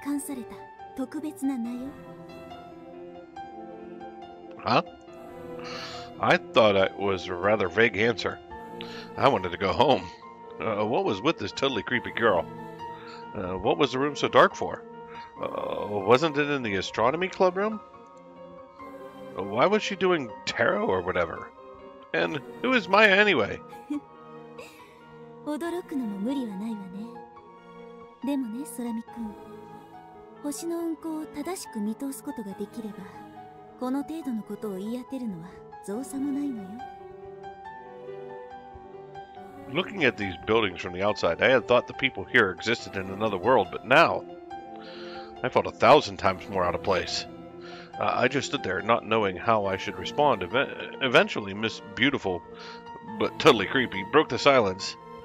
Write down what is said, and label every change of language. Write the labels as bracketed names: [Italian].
[Japanese] 野蛮なオリオンに追い立てられ星となった美しくも気高いプレアデス七姉妹の長女マイヤあなたの学校星の第一に冠された特別な名よ [English] Huh? I thought that was a rather vague answer. I wanted to go home. What was with this totally creepy girl? What was the room so dark for? Wasn't it in the astronomy club room? Why was she doing tarot or whatever? And who is Maya anyway? [Japanese] 驚くのも無理はないわね。でもね、空見君、星の運行を正しく見通すことができれば、この程度のことを言い当てるのは造作もないのよ。 [English] Looking at these buildings from the outside, I had thought the people here existed in another world, but now I felt 1,000 times more out of place. I just stood there, not knowing how I should respond. Eventually, Miss Beautiful, but totally creepy, broke the silence.